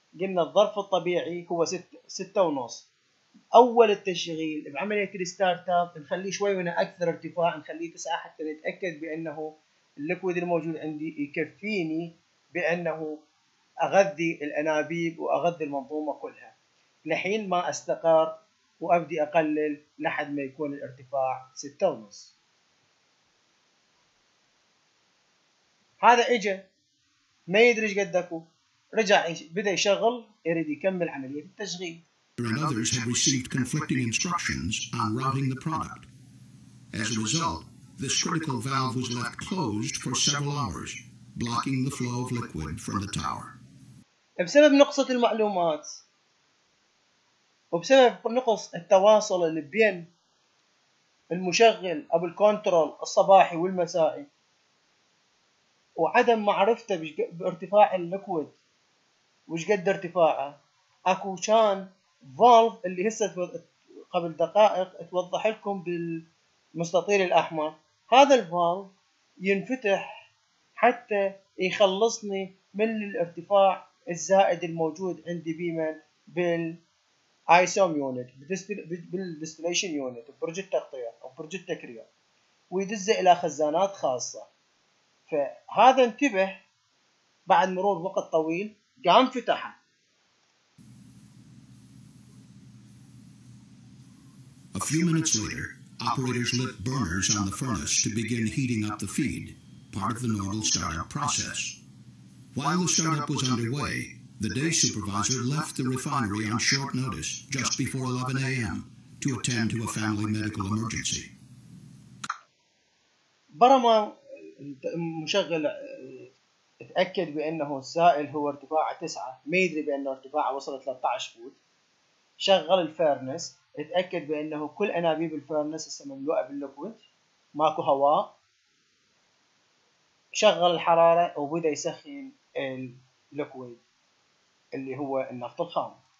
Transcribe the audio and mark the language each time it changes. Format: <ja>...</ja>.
<ar>قلنا الظرف الطبيعي هو 6.5. أول التشغيل بعملية الستارتاب نخليه شوي من أكثر ارتفاع، نخليه 9 حتى نتأكد بأنه الليكويد الموجود عندي يكفيني بأنه أغذي الأنابيب وأغذي المنظومة كلها، لحين ما أستقر وأبدي أقلل لحد ما يكون الارتفاع 6.5. هذا إجا ما يدري ايش قدكو، رجع بدا يشغل يريد يكمل عمليه التشغيل.</ar> <en>And others have received conflicting instructions on routing the product. As a result, this critical valve was left closed for several hours, blocking the flow of liquid from the tower.</en> <ar>بسبب نقص المعلومات وبسبب نقص التواصل اللي بين المشغل او الكنترول الصباحي والمسائي وعدم معرفته بارتفاع الليكويد وش قد ارتفاعه، اكو كان فالف اللي هسه قبل دقائق اتوضح لكم بالمستطيل الاحمر، هذا الفالف ينفتح حتى يخلصني من الارتفاع الزائد الموجود عندي بيمن بالايسوم يونت بالديستليشن يونت برج التغطيه او برج التكرير، ويدز الى خزانات خاصه. فهذا انتبه بعد مرور وقت طويل قام فتحه.</ar> <en>A few minutes later, operators lit burners on the furnace to begin heating up the feed, part of the normal startup process. While the startup was underway, the day supervisor left the refinery on short notice just before 11 a.m. to attend to a family medical emergency.</en> <ar>برما المشغل اتأكد بأنه السائل هو ارتفاعه 9، ما يدري بأنه ارتفاعه وصل 13 فوت، شغل الفيرنس اتأكد بأنه كل أنابيب الفيرنس مملوءة بالليكويد ماكو هواء، شغل الحرارة وبدأ يسخن الليكويد اللي هو النفط الخام.</ar>